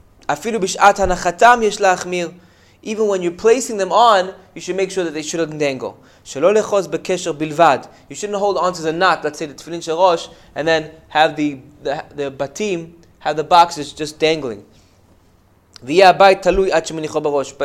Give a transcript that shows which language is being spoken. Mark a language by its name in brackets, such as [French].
[Hebrew] אפילו בשעת הנחתם יש להחמיר. [English] Even when you're placing them on, you should make sure that they shouldn't dangle. [Hebrew] שלא לחוז בקשר בלבד. [English] You shouldn't hold on to the knot, let's say the tefillin של ראש, and then have the batim, have the boxes just dangling. [Hebrew] ויהיה הבית תלוי עד שמניחו בראש.